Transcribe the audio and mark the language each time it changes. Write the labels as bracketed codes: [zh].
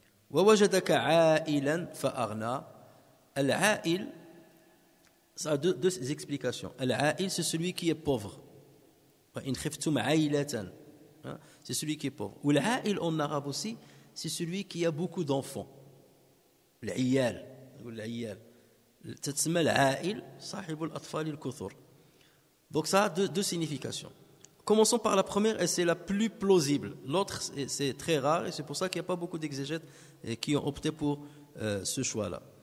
[ar] وَوَجَدَكَ عَائِلًا فَأَغْنَى. [fr] العائل, ça a deux explications. العائل, c'est celui qui est pauvre. [ar] إِنْ خِفْتُمْ عَائِلَةً, [fr] c'est celui qui est pauvre. Ou العائل en arabe aussi, c'est celui qui a beaucoup d'enfants. [ar] العيال, العيال. تتسمى العائل صاحب الأطفال الكثر. [fr] Donc ça a deux significations. Commençons par la première et c'est la plus plausible. L'autre, c'est très rare et c'est pour ça qu'il n'y a pas beaucoup d'exégètes qui ont opté pour ce choix-là.